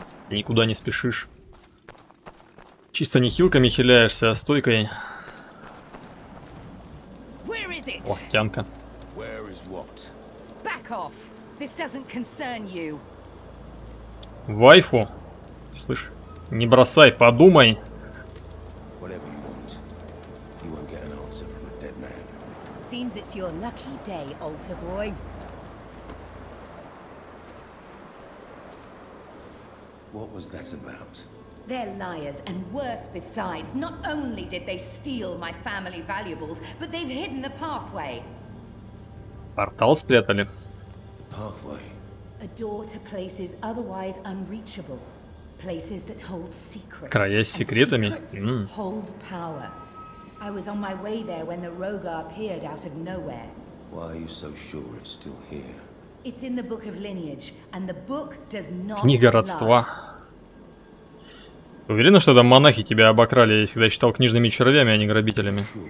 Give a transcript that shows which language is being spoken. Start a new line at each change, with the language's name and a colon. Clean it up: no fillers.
Russian: Никуда не спешишь. Чисто не хилками хиляешься, а стойкой. О, тянка.
English: Back off. This doesn't concern you.
Russian: Вайфу? Слышь, не бросай, подумай.
English: You want, you won't get an answer from a dead man. Seems it's your lucky day, altar boy. What was that about? They're liars, and worse besides. Not only did they steal my family valuables, but they've hidden the pathway.
Russian: Портал спрятали.
English: Pathway. A door to places otherwise unreachable. Places that hold secrets.
Russian: Края с секретами.
English: Hold power. I was on my way there when the Rogar appeared out of nowhere. Why are you so sure it's still here? It's in the Book of Lineage, and the book does not lie.
Russian: Книга родства. Уверена, что это монахи тебя обокрали? Я всегда считал книжными червями, а не грабителями.